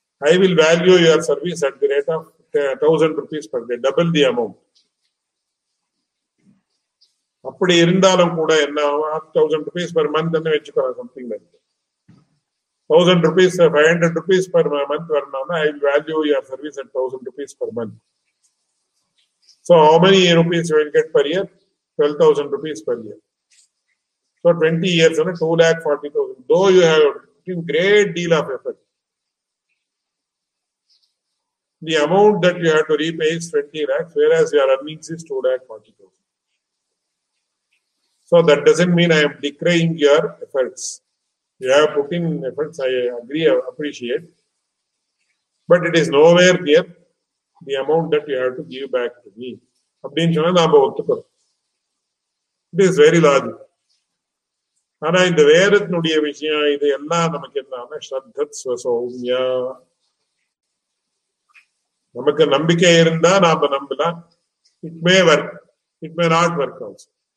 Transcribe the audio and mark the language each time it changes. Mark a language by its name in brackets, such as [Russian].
[English] I will value your service at the rate of 1000 rupees per day, double the amount. [Tamil] அப்படி இருந்தாலும் கூட என்ன [English] 1000 rupees per month வச்சுக்கலாம் something like 1000 rupees 500 rupees per month வரணும்னா I will value your service at 1000 rupees per month. So how many rupees you will get per year? 12,000 rupees per year. So 20 years, 2,40,000. Though you have given great deal of effort. the amount that you have to repay is 20 lakhs, whereas your earnings is 2 lakh 40 thousand. So that doesn't mean I am decrying your efforts. You have put in efforts, I agree, I appreciate. But it is nowhere near the amount that you have to give back to me. It is very large. [Tamil] ஆனா இந்த வேதத்தினுடைய விஷயம் இது எல்லாம் நமக்கு என்ன ஸ்ரத்த சௌமியா, நமக்கு நம்பிக்கை இருந்தா நாம நம்பலாம், [English] It may work, it may not work also.